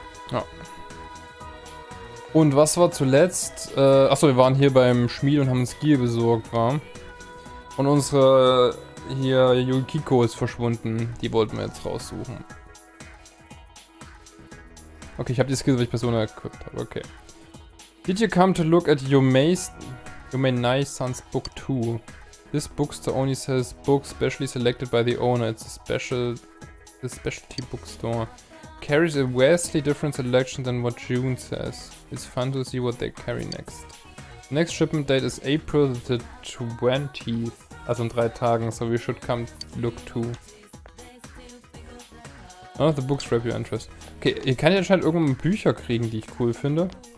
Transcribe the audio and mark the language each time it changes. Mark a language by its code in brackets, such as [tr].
[de] Ja. Und was war zuletzt? Achso, wir waren hier beim Schmied und haben uns Gear besorgt, wa? Und unsere hier Yukiko ist verschwunden. Die wollten wir jetzt raussuchen. Okay, ich habe die Skills, weil ich Persona equipped habe. Okay. [en] Did you come to look at Yumei-san's book 2? This bookstore only sells books specially selected by the owner. It's a specialty bookstore. Carries a vastly different selection than what June says. It's fun to see what they carry next. Next shipment date is April the 20th. [de] Also in 3 Tagen, [en] so we should come look too. None of the books grab your interest. [de] Okay, hier kann ich anscheinend irgendwann Bücher kriegen, die ich cool finde.